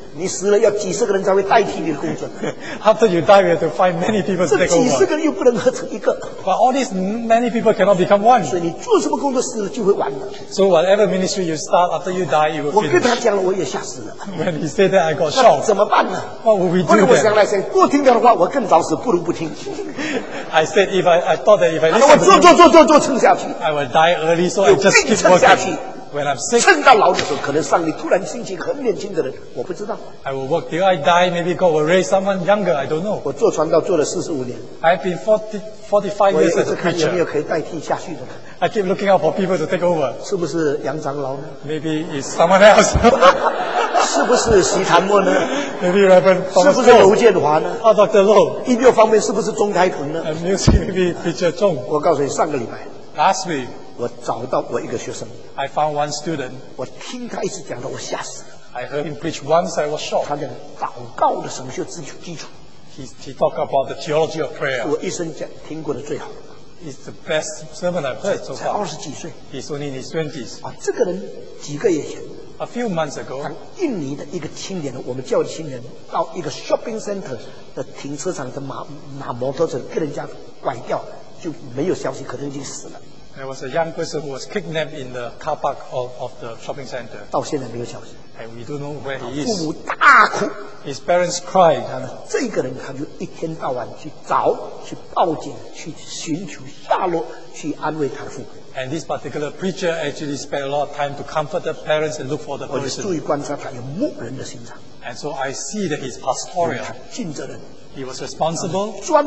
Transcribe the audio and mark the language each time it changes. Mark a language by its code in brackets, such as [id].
[zh] 你死了,要几十个人才会代替你的工作。 [en] After you die, we have to find many people to take over. [zh] 这几十个人又不能合成一个。 [en] But all these many people cannot become one. [zh] 所以你做什么工作,死了就会完了。 [en] So whatever ministry you start, after you die, it will finish. [zh] 我跟他讲了,我也吓死了。 [en] When he said that, I got shocked. [zh] 那怎么办呢? [en] What will we do then? [zh] 或者我想来想,多听他的话,我更早死,不如不听。 [en] I said if I thought that if I listen to him, I will die early, so I just keep working. When I'm sick, [zh] 趁到老的时候,可能上帝突然兴起很年轻的人,我不知道。 [en] I will work till I die, maybe God will raise someone younger, I don't know. [zh] 我做传道做了45年。 [en] I've been 45 years as a preacher. [zh] 我一直看有没有可以代替下去的。 [en] I keep looking out for people to take over. [zh] 是不是杨长老呢? [en] Maybe it's someone else. [zh] 是不是习禅默呢? [en] Maybe Reverend Thomas Lowe. [zh] 是不是刘建华呢? [en] Oh, Dr. Lowe. [zh] 音乐方面是不是钟台鹏呢? [en] And music maybe Peter Chong. [zh] 我告诉你,上个礼拜, [en] Last week, [zh] 我找到我一个学生, [en] I found one student. [zh] 我听他一直讲的,我吓死了。 [en] I heard him preach once, I was shocked. [zh] 他讲祷告的神学基础。 [en] He talked about the theology of prayer. [zh] 我一生讲,听过的最好。 [en] He's the best sermon I've heard so far. [zh] 才20几岁。 [en] He's only in his 20s. [zh] 这个人几个月前, [en] A few months ago, [zh] 当印尼的一个青年, 我们教的青年, 到一个 shopping center 的停车场的马摩托车, 被人家拐掉, 就没有消息, 可能已经死了。 [en] There was a young person who was kidnapped in the car park of the shopping center. [zh] 到现在没有消息。 [en] And we don't know where he is. [zh] 父母大哭。 [en] His parents cried. [zh] 这个人他就一天到晚去找, 去报警, 去寻求下落, 去安慰他的父母。 [en] And this particular preacher actually spent a lot of time to comfort the parents and look for the person. And so I see that he's pastoral. He was responsible.